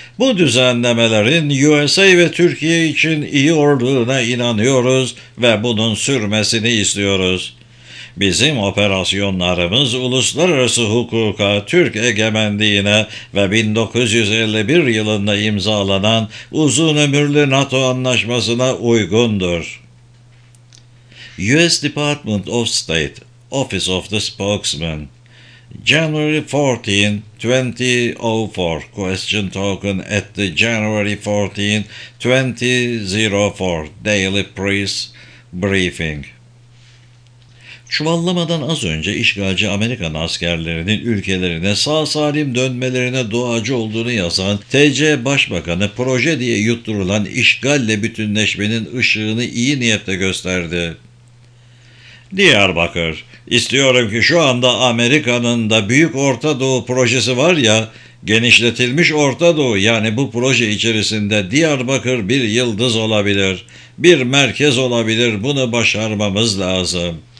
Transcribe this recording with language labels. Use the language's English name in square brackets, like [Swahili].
[Turkish] Bu düzenlemelerin USA ve Türkiye için iyi olduğuna inanıyoruz ve bunun sürmesini istiyoruz. Bizim operasyonlarımız uluslararası hukuka, Türk egemenliğine ve 1951 yılında imzalanan uzun ömürlü NATO anlaşmasına uygundur. [English] U.S. Department of State Office of the Spokesman, January 14, 2004, question token at the January 14, 2004, daily press briefing. [Turkish] Çuvallamadan az önce işgalci Amerikan askerlerinin ülkelerine sağ salim dönmelerine duacı olduğunu yazan TC Başbakanı proje diye yutturulan işgalle bütünleşmenin ışığını iyi niyetle gösterdi. Diyarbakır, istiyorum ki şu anda Amerika'nın da Büyük Orta Doğu projesi var ya, genişletilmiş Orta Doğu, yani bu proje içerisinde Diyarbakır bir yıldız olabilir, bir merkez olabilir, bunu başarmamız lazım.